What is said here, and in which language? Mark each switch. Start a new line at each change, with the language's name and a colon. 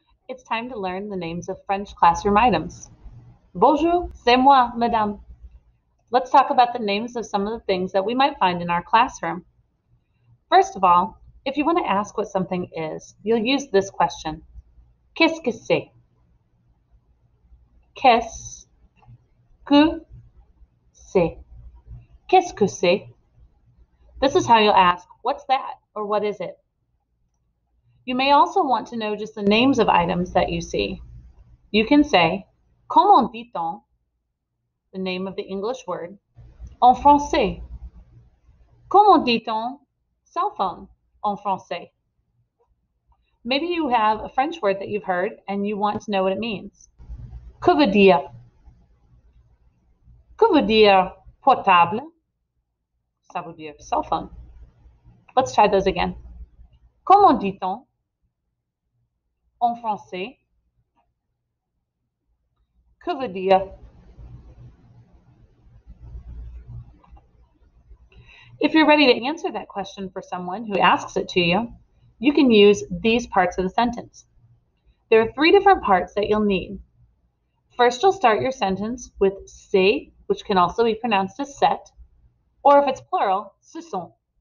English: It's time to learn the names of French classroom items.
French: Bonjour, c'est moi, madame.
English: Let's talk about the names of some of the things that we might find in our classroom. First of all, if you want to ask what something is, you'll use this question.
French: Qu'est-ce que c'est? Qu'est-ce que c'est? Qu'est-ce que c'est?
English: This is how you'll ask, what's that or what is it? You may also want to know just the names of items that you see. You can say,
French: comment dit-on,
English: the name of the English word,
French: en français. Comment dit-on, cell phone, en français.
English: Maybe you have a French word that you've heard and you want to know what it means.
French: Que veut dire? Que veut dire portable? Ça veut dire cell phone.
English: Let's try those again.
French: Comment dit-on? En français, que veut dire?
English: If you're ready to answer that question for someone who asks it to you can use these parts of the sentence. There are three different parts that you'll need. First, you'll start your sentence with c'est, which can also be pronounced as set, or if it's plural,
French: ce sont.